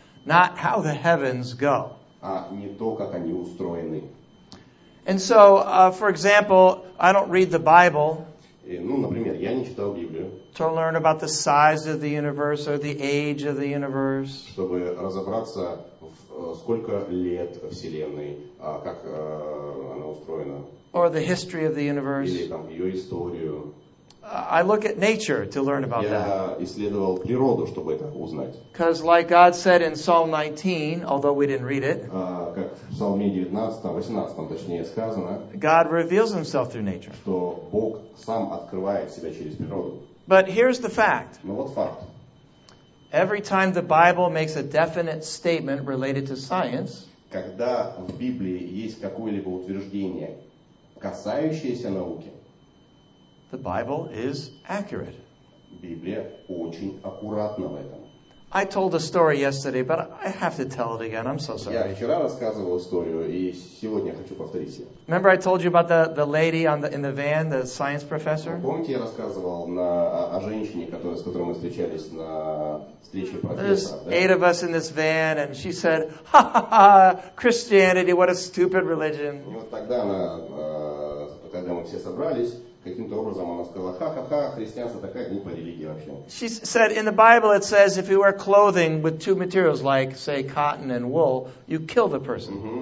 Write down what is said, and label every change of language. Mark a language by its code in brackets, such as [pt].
[en] Not how the heavens go. [ru] А не то, как они устроены. [en] And so, for example, I don't read the Bible. [ru] Ну, например, я не читал Библию. [en] To learn about the size of the universe or the age of the universe. [ru] Чтобы разобраться, сколько лет Вселенной, как она устроена. [en] Or the history of the universe. [ru] Или там ее историю. [en] I look at nature to learn about [ru] я [en] that. [ru] Я исследовал природу, чтобы это узнать. [en] Because like God said in Psalm 19, although we didn't read it. [ru] Как в Псалме 19, 18 точнее сказано. [en] God reveals himself through nature. [ru] Что Бог сам открывает себя через природу. [en] But here's the fact. [ru] Но вот факт. [en] Every time the Bible makes a definite statement related to science. [ru] Когда в Библии есть какое-либо утверждение, касающееся науки. [en] The Bible is accurate. [ru] Библия очень аккуратна в этом. [en] I told a story yesterday, but I have to tell it again. I'm so sorry. [ru] Я вчера рассказывал историю, и сегодня хочу повторить ее. [en] Remember I told you about the lady on the in the van, the science professor? [ru] Помните, я рассказывал о женщине, с которой мы встречались на встрече профессора? [en] There's eight of us in this van, and she said, "Ha-ha-ha, Christianity, what a stupid religion." [ru] Вот тогда она, когда мы все собрались, каким-то образом она сказала: ха-ха-ха, христианство такая глупая религия вообще. [en] She said, in the Bible it says if you wear clothing with two materials like, say, cotton and wool, you kill the person.